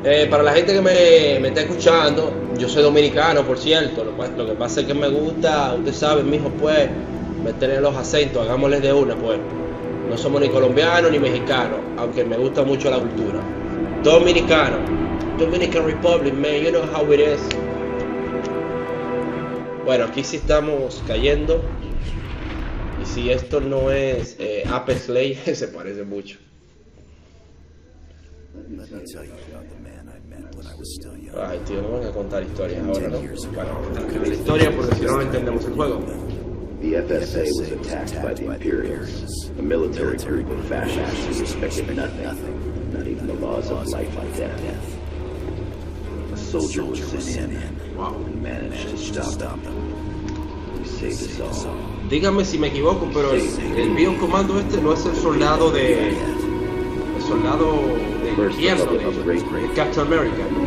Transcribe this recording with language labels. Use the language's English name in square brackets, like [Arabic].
[Spanish] Para la gente que me está escuchando, yo soy dominicano, por cierto, lo que pasa es que me gusta, usted sabe, mijo, pues, meterle los acentos, hagámosles de una, pues. No somos ni colombianos ni mexicanos, aunque me gusta mucho la cultura. [English] Dominicano, Dominican Republic, man, you know how it is. [Spanish] Bueno, aquí sí estamos cayendo. Y si esto no es Apple Slay, se parece mucho. Ay, tío, no van a contar historias ahora, ¿no? Bueno, la historia porque si no entendemos el juego. [English] The FSA was attacked by the Imperials, a military group of fascists who respected nothing, not even the laws of life and death. A soldier was sent in and managed to stop them. He saved us all. [Spanish] Díganme si me equivoco, pero el Bionic Commando este no es el soldado de soldado de invierno de Captain America.